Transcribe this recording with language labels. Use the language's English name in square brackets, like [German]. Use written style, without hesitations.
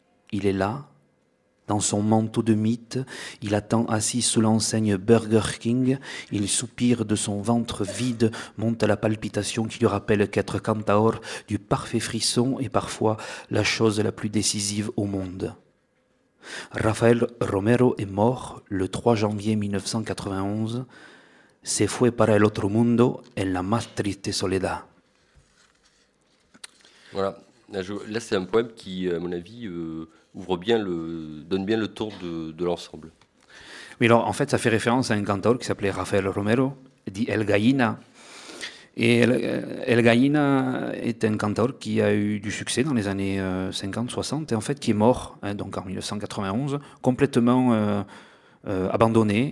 [French] Il est là, dans son manteau de mythe, il attend assis sous l'enseigne Burger King, il soupire de son ventre vide, monte à la palpitation qui lui rappelle qu'être cantaor du parfait frisson est parfois la chose la plus décisive au monde. Raphaël Romero est mort le 3 janvier 1991. [Spanish] Se fue para el otro mundo en la más triste soledad. [French] Voilà. Là, c'est un poème qui, à mon avis, ouvre bien le, donne bien le tour de l'ensemble. Oui, alors, en fait, ça fait référence à un cantor qui s'appelait Raphaël Romero, dit El Gallina. Et El Gallina est un cantor qui a eu du succès dans les années 50-60, et en fait, qui est mort, hein, donc en 1991, complètement abandonné.